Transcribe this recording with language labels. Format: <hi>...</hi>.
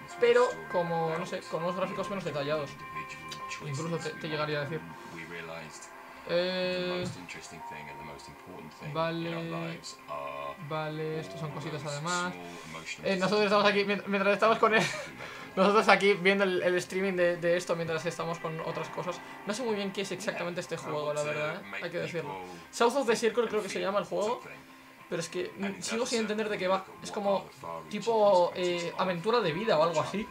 <es>Pero, como, no sé, con unos gráficos menos detallados. Incluso te llegaría a decir.</es> <en>realized the most interesting thing and the most important thing</en> <es>vale,</es> <en>in our lives are</en> <es>vale, estos son cositas además. Nosotros estamos aquí mientras estamos con nosotros aquí viendo el streaming de esto mientras estamos con otras cosas. No sé muy bien qué es exactamente este juego, la verdad, hay que decirlo. South of the Circle creo que se llama el juego. Pero es que sigo sin entender de qué va. Es como tipo aventura de vida o algo así.</es>